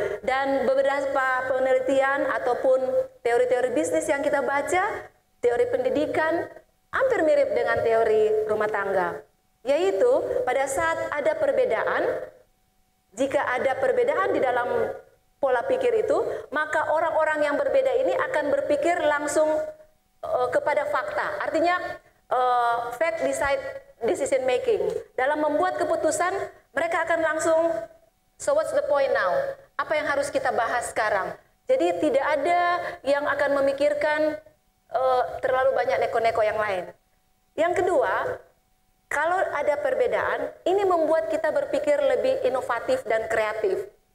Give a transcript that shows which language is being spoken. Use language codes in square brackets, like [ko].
[id] Dan beberapa penelitian ataupun teori-teori bisnis yang kita baca, teori pendidikan, hampir mirip dengan teori rumah tangga. Yaitu pada saat ada perbedaan, jika ada perbedaan di dalam pola pikir itu, maka orang-orang yang berbeda ini akan berpikir langsung kepada fakta. [en] Artinya fact decide decision making. [id] Dalam membuat keputusan, mereka akan langsung, [en] so what's the point now? [id] Apa yang harus kita bahas sekarang? Jadi tidak ada yang akan memikirkan terlalu banyak neko-neko yang lain. Yang kedua, kalau ada perbedaan, ini membuat kita berpikir lebih inovatif dan kreatif.